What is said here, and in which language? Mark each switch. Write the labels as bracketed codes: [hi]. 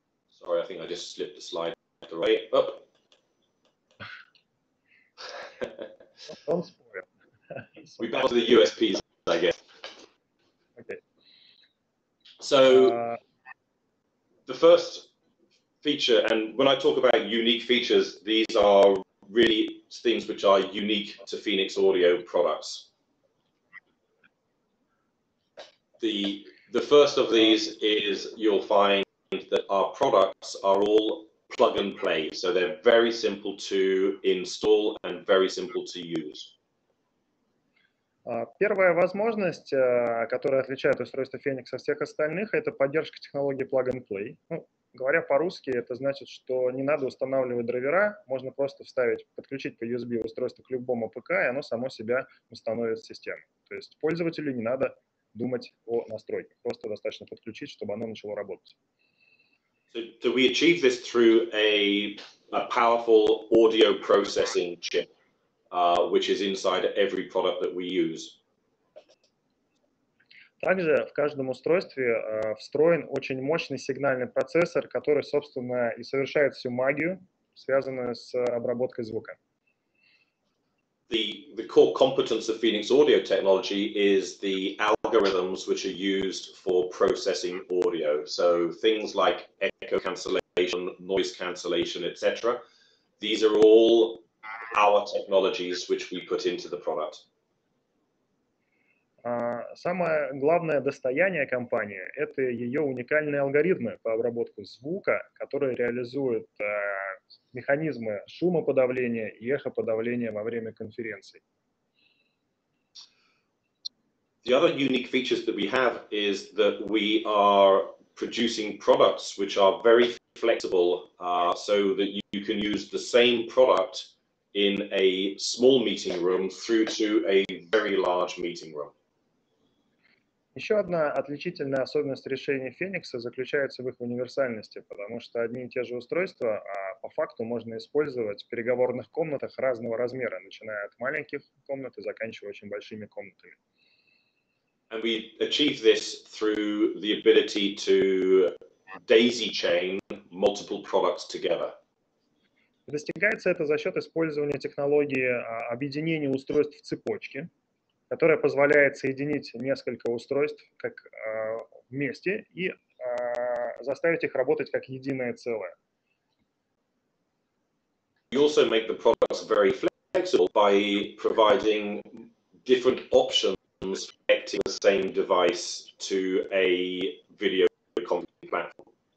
[en] Sorry, I think I just slipped the slide the way up. Don't spoil. We back to the USPs, I guess. Okay. So, the first feature, and when I talk about unique features, these are really things which are unique to Phoenix Audio products. The first of these is you'll find that our products are all plug and play, so they're very simple to install and very simple to use. [ru] Первая возможность, которая отличает устройство Phoenix от всех остальных, это поддержка технологии plug and play. Говоря по-русски, это значит, что не надо устанавливать драйвера, можно просто вставить, подключить по USB устройство к любому ПК, и оно само себя установит в систему. То есть пользователю не надо думать о настройке, просто достаточно подключить, чтобы оно начало работать. [en] So, do we achieve this through a powerful audio processing chip, which is inside every product that we use? [ru] Также в каждом устройстве встроен очень мощный сигнальный процессор, который, собственно, и совершает всю магию, связанную с обработкой звука. [en] The core competence of Phoenix Audio technology is the algorithms which are used for processing audio. So things like echo cancellation, noise cancellation, etc. These are all our technologies which we put into the product. [ru] Самое главное достояние компании – это ее уникальные алгоритмы по обработке звука, которые реализуют механизмы шумоподавления и эхоподавления во время конференций. [en] The other unique features that we have is that we are producing products which are very flexible, so that you can use the same product in a small meeting room through to a very large meeting room. [ru] Еще одна отличительная особенность решения Phoenix заключается в их универсальности, потому что одни и те же устройства по факту можно использовать в переговорных комнатах разного размера, начиная от маленьких комнат и заканчивая очень большими комнатами. [en] And we achieve this through the ability to daisy chain multiple products together. [ru] Достигается это за счет использования технологии объединения устройств в цепочке, которая позволяет соединить несколько устройств как вместе и заставить их работать как единое целое. [en] You also make the products very flexible by providing different options for connecting the same device to a video conference platform.